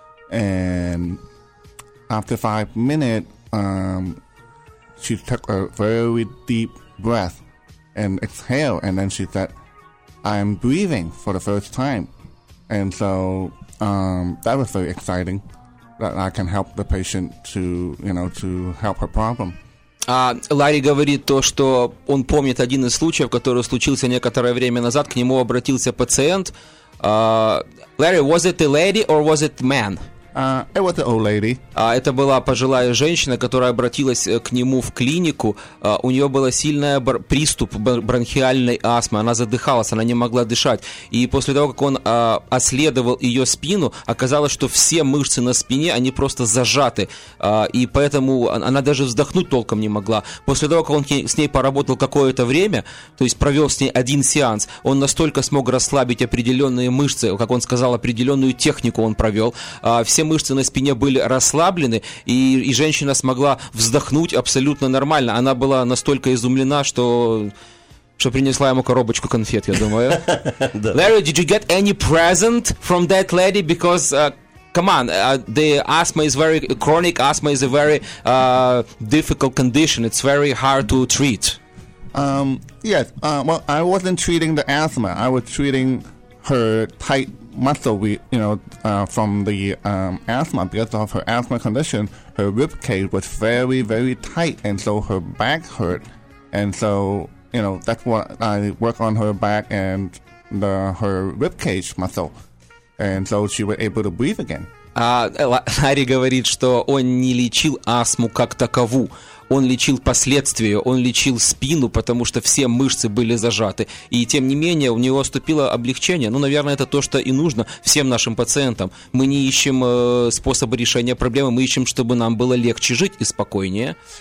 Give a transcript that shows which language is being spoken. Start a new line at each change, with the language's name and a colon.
English: And after 5 minutes, she took a very deep breath and exhaled. And then she said, I'm breathing for the first time. And so that was very exciting that I can help the patient to help her problem.
Russian: Ларри говорит то, что он помнит один из случаев, который случился некоторое время назад. К нему обратился пациент.
English: Ларри, was it a lady or was it man? It was an old lady.
Russian: Это была пожилая женщина, которая обратилась к нему в клинику. У нее была сильная приступ бронхиальной астмы. Она задыхалась, она не могла дышать. И после того, как он исследовал ее спину, оказалось, что все мышцы на спине, они просто зажаты. И поэтому она даже вздохнуть толком не могла. После того, как он с ней поработал какое-то время, то есть провел с ней один сеанс, он настолько смог расслабить определенные мышцы, как он сказал, определенную технику он провел. Все мышцы на спине были расслаблены, и женщина смогла вздохнуть абсолютно нормально. Она была настолько изумлена, что принесла ему коробочку конфет, я думаю.
English: Ларри, did you get any present from that lady? Because, the asthma is very, chronic asthma is a very difficult condition. It's very hard to treat. Yes, I wasn't treating the asthma. I was treating her tight muscle, from the asthma, because of her asthma condition, her rib cage was very, very tight, and so her back hurt. And so, you know, that's what I work on her back and her rib cage muscle. And so she was able to breathe again.
Russian: Ларри говорит, что он не лечил астму как такову. Он лечил последствия, он лечил спину, потому что все мышцы были зажаты. И тем не менее, у него наступило облегчение. Ну, наверное, это то, что и нужно всем нашим пациентам. Мы не ищем способы решения проблемы, мы ищем, чтобы нам было легче жить и спокойнее.